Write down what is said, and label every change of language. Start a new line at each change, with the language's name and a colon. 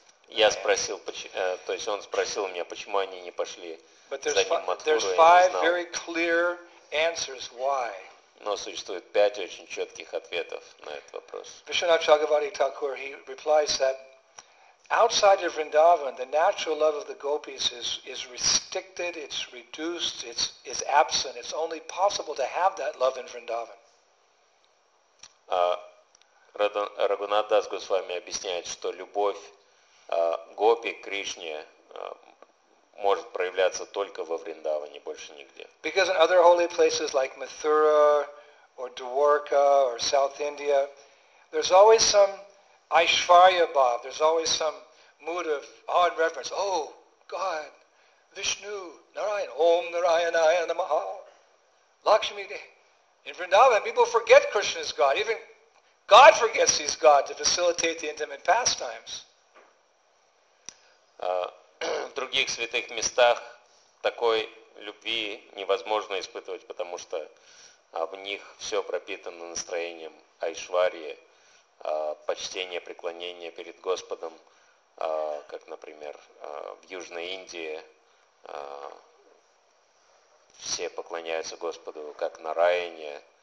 Russian: Я спросил, то есть он спросил меня, почему они не пошли за ним Матхуру, я не знал.
English: Very clear answers why.
Russian: Но существует 5 очень четких ответов на этот вопрос.
English: Vishwanath Chakravarti Thakur, he replies that outside of Vrindavan, the natural love of the gopis is restricted, it's reduced, it's absent. It's only possible to have that love in Vrindavan.
Russian: Рагунатх Дас Госвами объясняет, что любовь гопи Кришне может проявляться только во Вриндаване, больше нигде.
English: Because in other holy places like Mathura or Dwarka or South India, there's always some Aishwarya Bhav, there's always some mood of odd reference. Oh, God, Vishnu, Narayan, Om Narayanaya Namaha, Lakshmi. In Vrindavan, people forget Krishna is God. Even God forgets he's God to facilitate the intimate pastimes.
Russian: В других святых местах такой любви невозможно испытывать, потому что в них все пропитано настроением Айшварьи, почтение, преклонение перед Господом, как, например, в Южной Индии все поклоняются Господу, как на Райане.